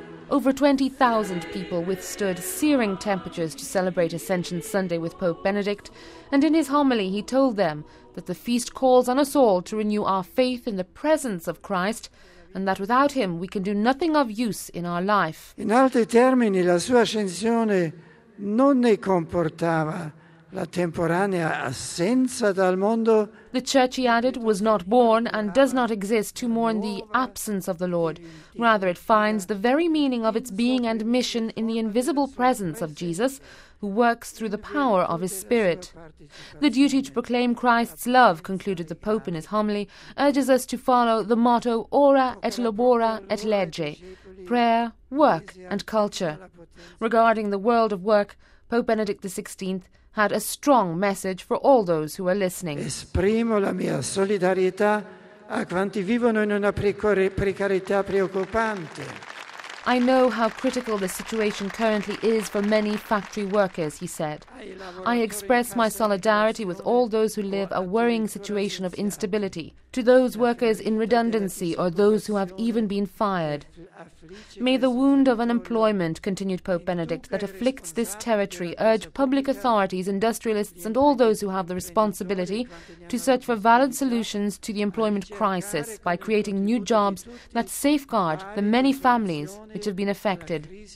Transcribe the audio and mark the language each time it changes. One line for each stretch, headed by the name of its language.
English: Over 20,000 people withstood searing temperatures to celebrate Ascension Sunday with Pope Benedict, and in his homily he told them that the feast calls on us all to renew our faith in the presence of Christ, and that without him we can do nothing of use in our life.
Italian: In altri termini, la sua ascensione non ne comportava la temporanea assenza dal mondo.
English: The Church, he added, was not born and does not exist to mourn the absence of the Lord. Rather, it finds the very meaning of its being and mission in the invisible presence of Jesus, who works through the power of his Spirit. The duty to proclaim Christ's love, concluded the Pope in his homily, urges us to follow the motto Ora et Labora et Legge, prayer, work, and culture. Regarding the world of work, Pope Benedict XVI had a strong message for all those who are listening.
Italian: Esprimo la mia solidarietà a quanti vivono in una precarietà preoccupante.
English: I know how critical the situation currently is for many factory workers, he said. I express my solidarity with all those who live a worrying situation of instability, to those workers in redundancy or those who have even been fired. May the wound of unemployment, continued Pope Benedict, that afflicts this territory urge public authorities, industrialists and all those who have the responsibility to search for valid solutions to the employment crisis by creating new jobs that safeguard the many families which have been affected.